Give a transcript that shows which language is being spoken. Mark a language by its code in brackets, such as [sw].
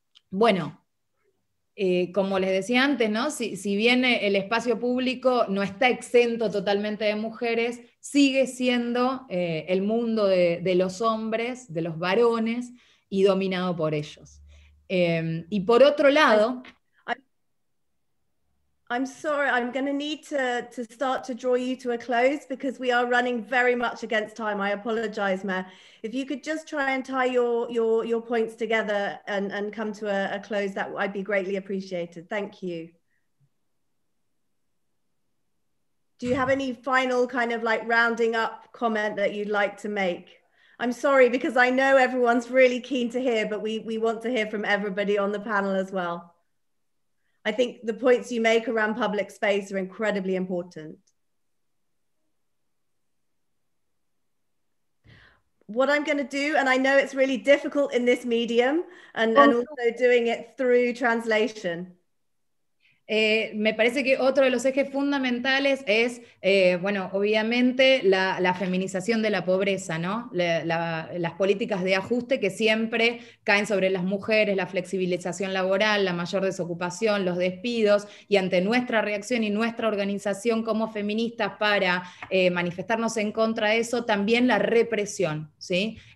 [es] Bueno, como les decía antes, ¿no? Si bien el espacio público no está exento totalmente de mujeres, sigue siendo el mundo de los hombres, de los varones, y dominado por ellos. Y por otro lado, [en] I'm sorry, I'm going to need to start to draw you to a close because we are running very much against time. I apologize, Mayor. If you could just try and tie your points together and come to a close, that I'd be greatly appreciated. Thank you. Do you have any final kind of like rounding up comment that you'd like to make? I'm sorry, because I know everyone's really keen to hear, but we want to hear from everybody on the panel as well. I think the points you make around public space are incredibly important. What I'm going to do, and I know it's really difficult in this medium, and also doing it through translation. [es] Me parece que otro de los ejes fundamentales es, bueno, obviamente la feminización de la pobreza, ¿no? Las políticas de ajuste que siempre caen sobre las mujeres, la flexibilización laboral, la mayor desocupación, los despidos, y ante nuestra reacción y nuestra organización como feministas para manifestarnos en contra de eso, también la represión, ¿sí?